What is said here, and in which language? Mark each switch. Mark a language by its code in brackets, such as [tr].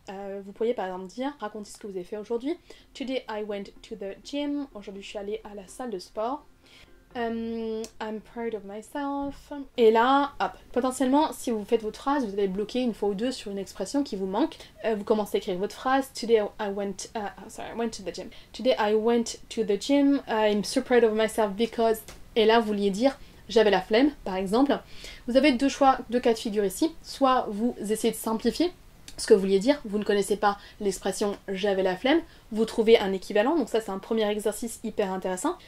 [fr] Vous pourriez par exemple dire, racontez ce que vous avez fait aujourd'hui. [en] Today, I went to the gym. [fr] Aujourd'hui, je suis allée à la salle de sport. [en] I'm proud of myself. [fr] Et là, hop, potentiellement, si vous faites votre phrase, vous allez bloquer une fois ou deux sur une expression qui vous manque. Vous commencez à écrire votre phrase. [en] Today I went, I went to the gym. Today I went to the gym. I'm so proud of myself because. [fr] Et là, vous vouliez dire j'avais la flemme, par exemple. Vous avez deux choix, deux cas de figure ici. Soit vous essayez de simplifier ce que vous vouliez dire. Vous ne connaissez pas l'expression « j'avais la flemme », vous trouvez un équivalent, donc ça c'est un premier exercice hyper intéressant.